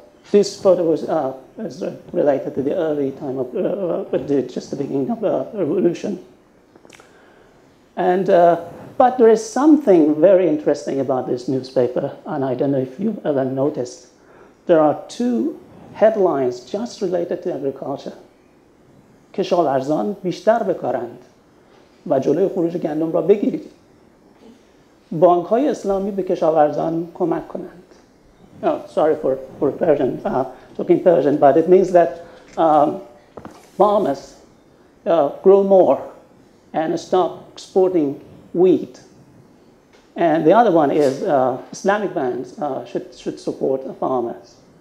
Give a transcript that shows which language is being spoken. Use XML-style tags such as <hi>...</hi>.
<en>This photo was related to the early time of just the beginning of the revolution. But there is something very interesting about this newspaper, and I don't know if you've ever noticed. There are two headlines just related to agriculture.</en> <fa>کشاورزان بیشتر بکارند و جلوی خروج گندم را بگیرید. بانک های اسلامی به کشاورزان کمک کنند.</fa> <en>Oh, sorry for Persian, talking Persian, but it means that farmers grow more and stop exporting wheat. And the other one is Islamic bands should support farmers.</en>